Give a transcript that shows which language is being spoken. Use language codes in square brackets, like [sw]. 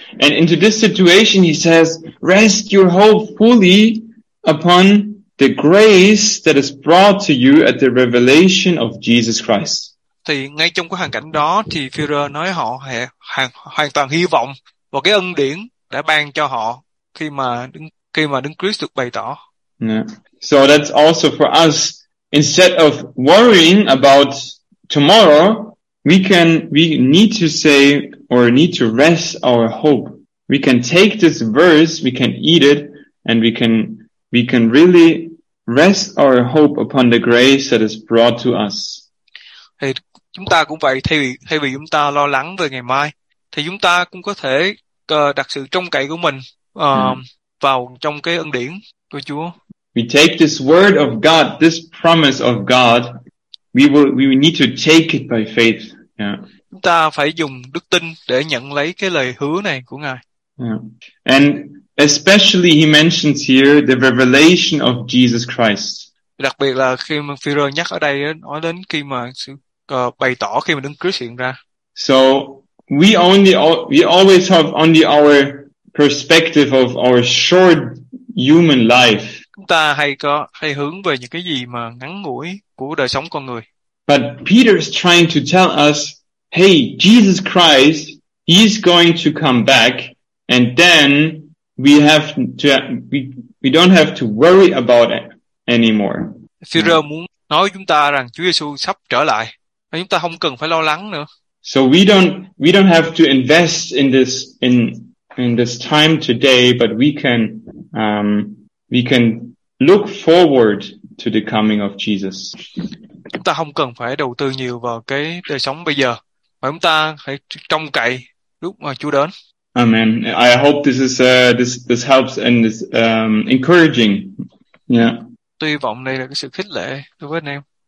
[en] And into this situation he says, rest your hope fully upon the grace that is brought to you at the revelation of Jesus Christ. [vi] Thì ngay trong cái hoàn cảnh đó thì Führer nói họ hoàn toàn hy vọng và cái ân điển đã ban cho họ khi mà đứng Christ được bày tỏ. [en] Yeah. So that's also for us. Instead of worrying about tomorrow, we need to say or need to rest our hope. We can take this verse, we can eat it, and we can really rest our hope upon the grace that is brought to us. [vi] Thì chúng ta cũng vậy, thay vì chúng ta lo lắng về ngày mai, thì chúng ta cũng có thể đặt sự trông cậy của mình vào trong cái ân điển của Chúa. [en] We take this word of God, this promise of God, we need to take it by faith. Yeah. [vi] Chúng ta phải dùng đức tin để nhận lấy cái lời hứa này của Ngài. [en] Yeah. And especially he mentions here the revelation of Jesus Christ. [vi] Đặc biệt là khi mà Phi-rơ nhắc ở đây nói đến khi mà sự bày tỏ khi mà Đấng Christ hiện ra. [en] So we always have only our perspective of our short human life. [vi] Chúng ta hay hướng về những cái gì mà ngắn ngủi của đời sống con người. [en] But Peter is trying to tell us, hey, Jesus Christ, he's going to come back, and then we don't have to worry about it anymore. [vi] Phi-rơ muốn nói với chúng ta rằng Chúa Giê-xu sắp trở lại, và chúng ta không cần phải lo lắng nữa. [en] So we don't have to invest in this time today, but we can look forward to the coming of Jesus. [vi] Chúng ta không cần phải đầu tư nhiều vào cái đời sống bây giờ, mà chúng ta hãy trông cậy lúc mà Chúa đến. [en] Amen. I hope this helps and is encouraging. Yeah. [vi] Tôi hy vọng đây là cái sự khích lệ đối với anh em.